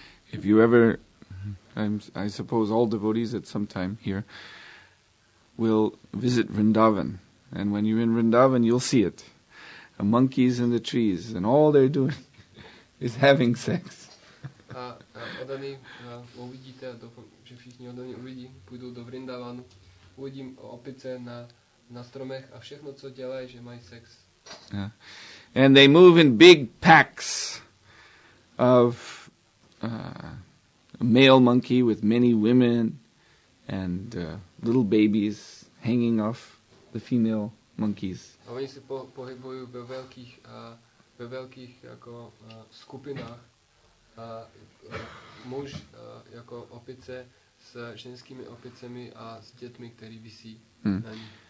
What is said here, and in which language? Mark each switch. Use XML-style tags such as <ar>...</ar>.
<en>If you ever, I suppose all devotees at some time here will visit Vrindavan, and when you're in Vrindavan, you'll see it. The monkeys in the trees, and all they're doing is having sex.</en> <cs>Odany uvidíte, že všichni odany uvidí, půjdou do Vrindavanu, uvidím opice na stromech a všechno, co dělají, že mají sex.</cs> <en>Yeah. And they move in big packs of a male monkey with many women and little babies hanging off the female monkeys.</en> <cs>A oni se pohybují ve velkých jako skupinách muž jako opice s ženskými opicemi a s dětmi, které visí na ní.</cs>